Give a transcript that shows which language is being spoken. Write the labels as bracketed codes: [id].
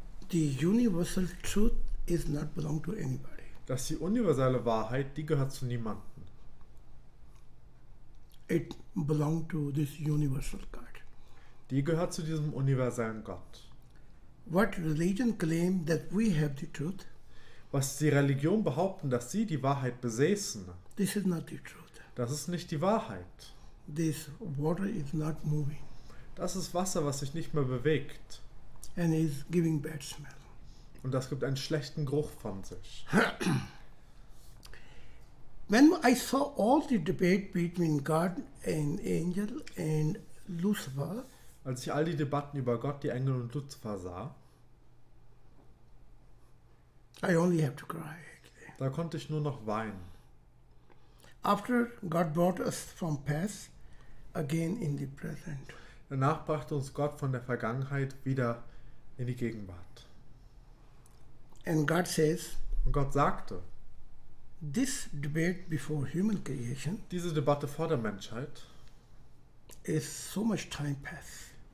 [en] the universal truth is not belong to anybody. [de] Dass die universelle Wahrheit, die gehört zu niemandem. [en] It belongs to this universal God. [de] Die gehört zu diesem universellen Gott. [en] What religion claim that we have the truth? [de] Was die Religion behaupten, dass sie die Wahrheit besäßen. [en] This is not the truth. [de] Das ist nicht die Wahrheit. [en] this water is not moving. [de] Das ist Wasser, was sich nicht mehr bewegt. [en] And is giving bad smell. [de] Und das gibt einen schlechten Geruch von sich. [en] When I saw all the debate between God and angel and Lucifer, [de] als ich all die Debatten über Gott, die Engel und Lucifer sah, [en] I only have to cry. [de] Da konnte ich nur noch weinen. [en] After God brought us from past again in the present. [de] Danach brachte uns Gott von der Vergangenheit wieder in die Gegenwart. [en] And God says, [de] und Gott sagte, [en] this debate before human creation, [de] diese Debatte vor der Menschheit, [en] is so much time past.